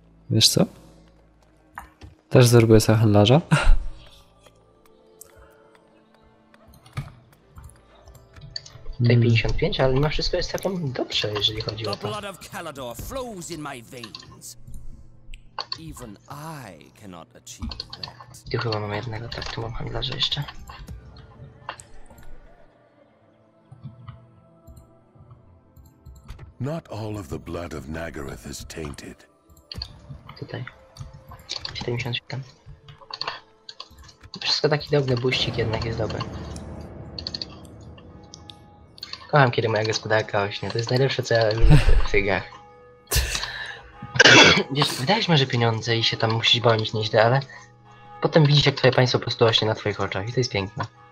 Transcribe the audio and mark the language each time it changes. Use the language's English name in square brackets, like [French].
[Polish] Wiesz co? Też zrobię sobie handlarza. Tutaj 55, ale mimo wszystko jest całkiem dobrze, jeżeli chodzi o to. [English] Of Kalador flows in my veins. Even I cannot achieve that. [Polish] Tu chyba mam jednego, tak, tu mam handlarza jeszcze. [English] Not all of the blood of Naggarath is tainted. [Polish] Tutaj. 77. Wszystko taki dobry, buścik jednak jest dobry. Kocham, kiedy moja gospodarka rośnie. To jest najlepsze, co ja lubię w tych grach. Wiesz, wydajesz może pieniądze i się tam musisz bronić nieźle, ale potem widzisz, jak twoje państwo po prostu rośnie na twoich oczach i to jest piękne.